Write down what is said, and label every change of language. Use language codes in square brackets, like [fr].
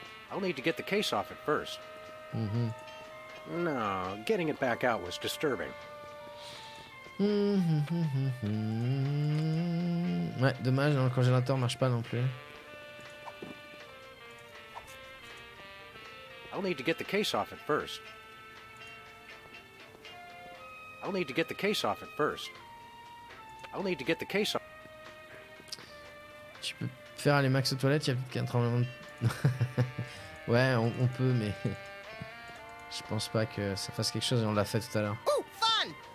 [en] I'll need to get the case off it first. Mm-hmm. No, getting it back out was disturbing. [fr] Ouais, dommage, le congélateur marche pas non plus. [en] I'll need to get the case off it first. I'll need to get the case off it first. I'll need to get the case off. [fr] Tu peux faire aller Max aux toilettes, y'a peut-être qu'un tremblement. Ouais, on peut, mais. Je pense pas que ça fasse quelque chose et on l'a fait tout à l'heure. [en] Ooh, fun!